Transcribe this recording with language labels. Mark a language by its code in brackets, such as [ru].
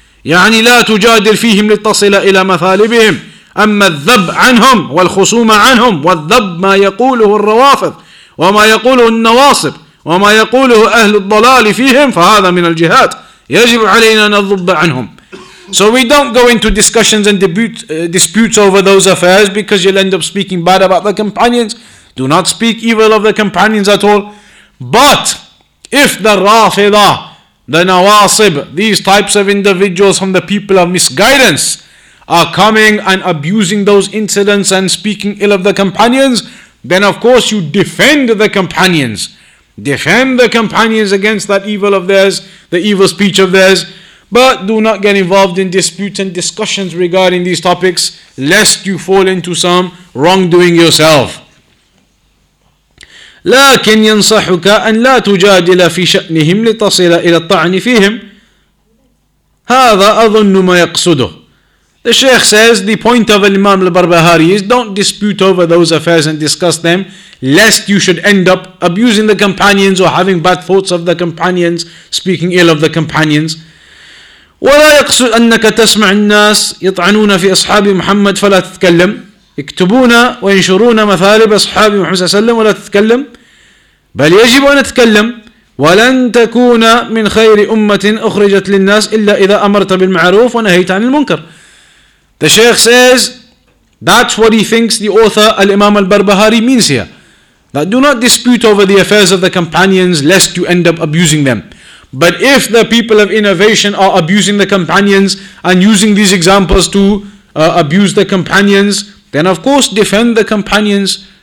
[ar] يعني لا تجادل فيهم لتصل إلى مثالبهم أما الذب عنهم والخصوم عنهم والذب ما يقوله الروافض وما يقوله النواصب وما يقوله أهل الضلال فيهم فهذا من الجهاد يجب علينا أن نذب عنهم. [en] So we don't go into discussions and disputes over those affairs because you'll end up speaking bad about the companions. Do not speak evil of the companions at all. But if the Rafida, the Nawasib, these types of individuals from the people of misguidance are coming and abusing those incidents and speaking ill of the companions, then of course you defend the companions. Defend the companions against that evil of theirs, the evil speech of theirs, but do not get involved in disputes and discussions regarding these topics, lest you fall into some wrongdoing yourself. [ar] لكن ينصحك أن لا تجادل في شأنهم لتصل إلى الطعن فيهم هذا أظن ما يقصده. [en] The Sheikh says the point of Imam al-Barbahari is don't dispute over those affairs and discuss them lest you should end up abusing the companions or having bad thoughts of the companions, speaking ill of the companions. [ar] ولا يقصد أنك تسمع الناس يطعنون في أصحاب محمد فلا تتكلم يكتبون وينشرون مثالب أصحاب محمد صلى الله عليه وسلم ولا تتكلم بل يجب أن أتكلم ولن تكون من خير أمة أخرجت للناس إلا إذا أمرت بالمعروف ونهيت عن المنكر. [en] The Sheikh says that's what he thinks the author Al-Imam Al-Barbahari means here. That do not dispute over the affairs of the companions lest you end up abusing them. But if the people of innovation are abusing the companions and using these examples to abuse the companions, then of course defend the companions.